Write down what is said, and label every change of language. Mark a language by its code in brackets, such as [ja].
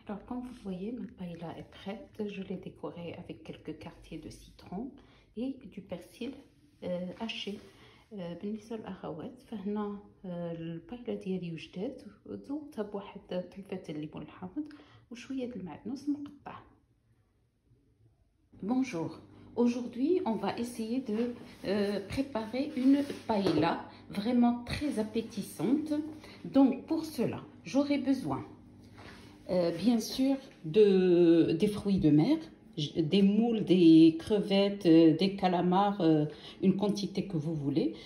[fr] Alors, comme vous voyez, ma paella est prête. Je l'ai décorée avec quelques quartiers de citron et du persil haché. [ar] بالنسبة للأخوات فهنا البايلة ديالي وجدات وضغطها بواحد طلفة الليمون الحامض وشوية المعدنوس مقطع. [fr] Bonjour. Aujourd'hui, on va essayer de préparer une paella vraiment très appétissante. Donc, pour cela, j'aurai besoin, bien sûr, des fruits de mer, des moules, des crevettes, des calamars, une quantité que vous voulez.